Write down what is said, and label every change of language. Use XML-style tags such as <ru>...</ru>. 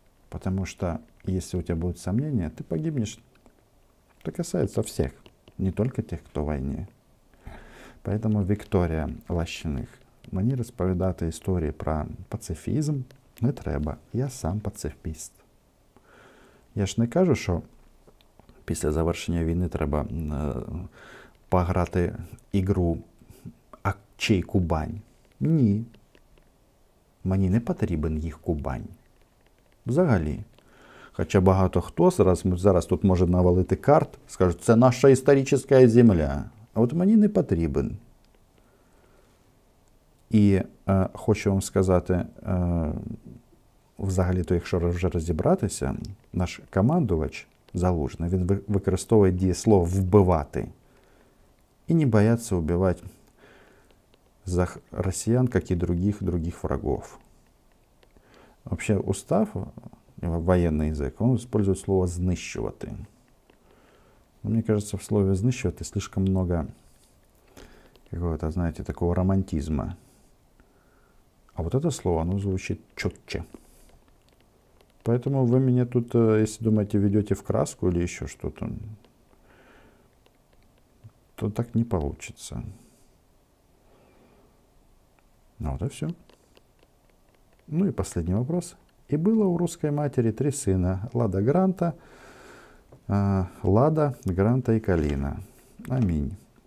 <ru>Потому что если у тебя будут сомнения, ты погибнешь. Это касается всех, не только тех, кто в войне. Поэтому Виктория Лащиных, мне рассказывать истории про пацифизм</ru> <uk>не треба.</uk> <ru>Я сам пацифист.</ru> <uk>Я ж не кажу, что після завершення війни треба пограти ігру «А чий Кубань?» Ні. Мені не потрібен їх Кубань. Взагалі. Хоча багато хто зараз тут може навалити карт, скажуть, це наша історична земля. А от мені не потрібен. І хочу вам сказати, взагалі-то, якщо вже розібратися, наш командувач Залужний, він використовує дієслово «вбивати» і не бояться вбивати за росіян, як і других врагов. Взагалі, устав, воєнний язик, він використовує слово «знищувати». Мені кажеться, в слові «знищувати»</uk> <ru>слишком много</ru> <uk>якого-то, знаєте, такого романтизму. А от це слово, воно звучить чітче.</uk> <ru>Поэтому вы меня тут, если думаете, ведете в краску или еще что-то, то так не получится. Ну вот и все. Ну и последний вопрос. И было у русской матери три сына. Лада Гранта, Лада, Гранта и Калина. Аминь.</ru>